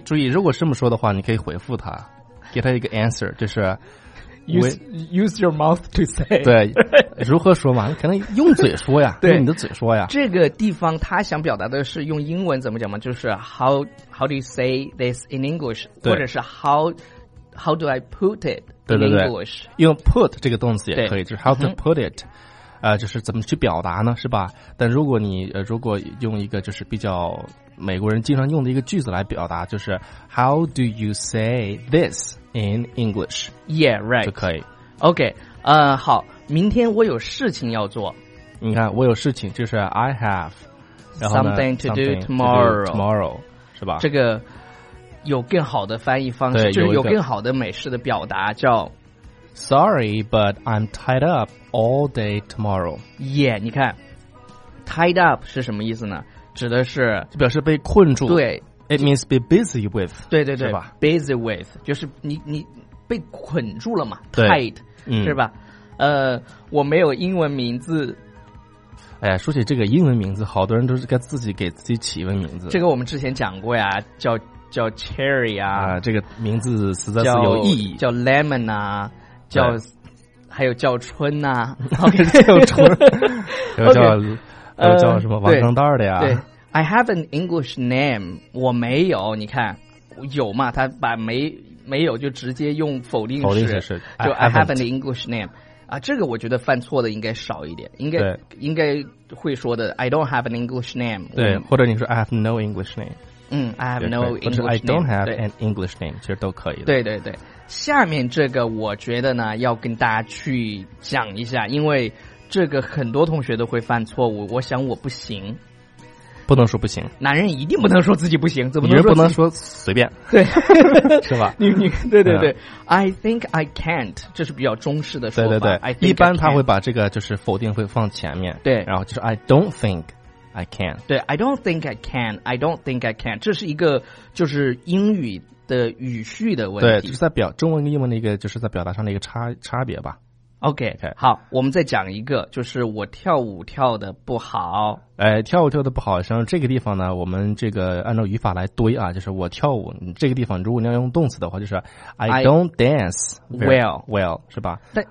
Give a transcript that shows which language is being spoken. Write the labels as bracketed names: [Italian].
[Chinese] 注意，如果这么说的话你可以回复他，给他一个 answer， 就是 [English] Use your mouth to say， [Chinese] 对，如何说嘛，可能用嘴说呀，对，用你的嘴说呀，这个地方他想表达的是用英文怎么讲嘛，就是 [English] how do you say this in English， [Chinese] 或者是 [English] how do I put it in English， [Chinese] 对对对，用 put 这个动词也可以，就是 [English] how to put it， [Chinese] 就是怎么去表达呢，是吧，但如果你如果用一个就是比较美国人经常用的一个句子来表达，就是 [English] how do you say this in English， yeah right， [Chinese] 就可以 ok， 好，明天我有事情要做，你看我有事情就是 [English] I have something to do tomorrow [Chinese] 是吧，这个有更好的翻译方式，就是有更好的美式的表达，叫 [English] Sorry, but I'm tied up all day tomorrow. [Chinese] Yeah, 你看 ,tied up 是什么意思呢？指的是表示被困住。对。 [English] It means be busy with. [Chinese] 对对对。是吧 [English] ?busy with. [Chinese] 就是你被捆住了嘛 ,tied, 是吧，我没有英文名字。哎呀，说起这个英文名字，好多人都是该自己给自己起英文名字。这个我们之前讲过呀，叫 Cherry 啊。啊，这个名字实在是有意义。叫 Lemon 啊。叫还有叫春呐、啊、叫春还有叫什么王张蛋的呀，对 [English] I have an English name， [Chinese] 我没有，你看有嘛，他把没有就直接用否定式，否定式是就 [English] I have an English name [Chinese] 啊，这个我觉得犯错的应该少一点，应该会说的 [English] I don't have an English name， [Chinese] 对，或者你说 [English] I have no English name，嗯 I have no English name， I don't have an English name， 其实都可以的， [Chinese] 对对对，下面这个我觉得呢要跟大家去讲一下，因为这个很多同学都会犯错误，我想我不行，不能说不行，男人一定不能说自己不行，怎么能说，女人不能说随便，对是吧，你对对对、 [English] I think I can't， [Chinese] 这是比较中式的说法，对对对，一般他会把这个就是否定会放前面，对， [English] 然后就是 I don't think I can，对 I don't think I can， I don't think I can， [Chinese] 这是一个就是英语的语序的问题，对，就是在表中文跟英文的一个，就是在表达上的一个差别吧。 Okay, 好，我们再讲一个，就是我跳舞跳的不好。哎，跳舞跳的不好，像这个地方呢，我们这个按照语法来堆啊，就是我跳舞这个地方，如果你要用动词的话，就是 [English] I don't dance well， [Chinese] 是吧？